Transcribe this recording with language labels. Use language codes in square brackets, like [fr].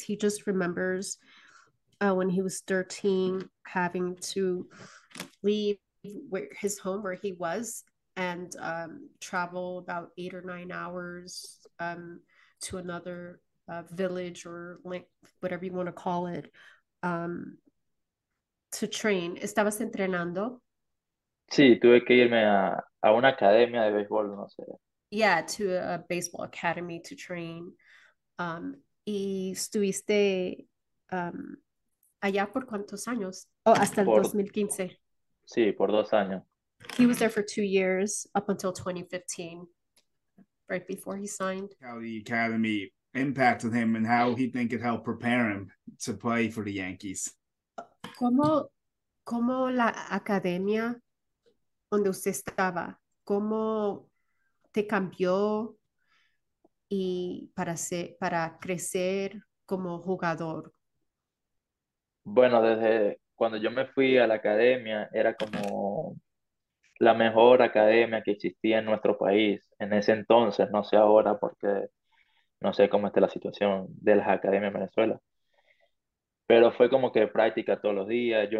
[en] He just remembers when he was 13 having to leave his home where he was and travel about 8 or 9 hours to another village or like whatever you want to call it. To train, [es] estabas entrenando. Sí, tuve que irme a una academia de béisbol, no sé. [en] Yeah, to a baseball academy to train. [es] Y estuviste allá por cuántos años? Oh, hasta el Por 2015. sí, por 2 años. [en] He was there for 2 years up until 2015, right before he signed. How the Academy impacted him and how he think it helped prepare him to play for the Yankees. [es] ¿Cómo la academia donde usted estaba, cómo te cambió y para crecer como jugador? Bueno, desde cuando yo me fui a la academia, era como la mejor academia que existía en nuestro país en ese entonces, no sé ahora porque no sé cómo está la situación de las academias en Venezuela, pero fue como que práctica todos los días.